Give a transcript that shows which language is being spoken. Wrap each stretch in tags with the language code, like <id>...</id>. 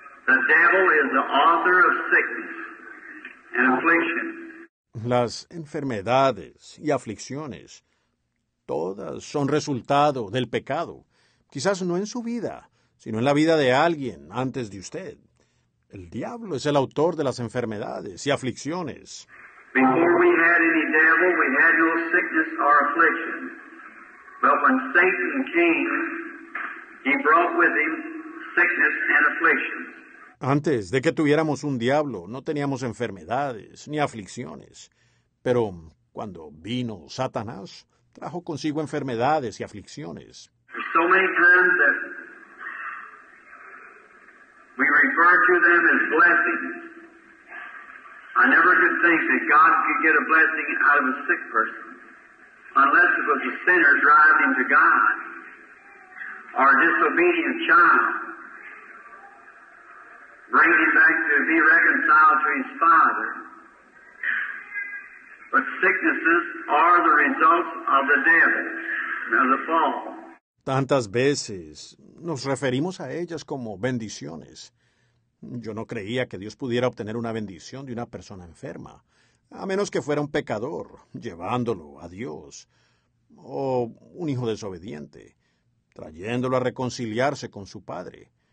<en>The devil is the author of sickness and affliction.</en> <es>Las enfermedades y aflicciones, todas son resultado del pecado. Quizás no en su vida, sino en la vida de alguien antes de usted. El diablo es el autor de las enfermedades y aflicciones.</es> <en>Before we had any devil, we had no sickness or affliction. But when Satan came, he brought with him sickness and affliction.</en> <es>Antes de que tuviéramos un diablo, no teníamos enfermedades ni aflicciones. Pero cuando vino Satanás, trajo consigo enfermedades y aflicciones.</es> <en>So many times that we refer to them as blessings. I never could think that God could get a blessing out of a sick person unless it was a sinner driving to God or a disobedient child bringing back to be reconciled to his father. But sicknesses are the results of the devil, of the fall.</en> <es>Tantas veces nos referimos a ellas como bendiciones. Yo no creía que Dios pudiera obtener una bendición de una persona enferma, a menos que fuera un pecador, llevándolo a Dios, o un hijo desobediente, trayéndolo a reconciliarse con su padre.</es>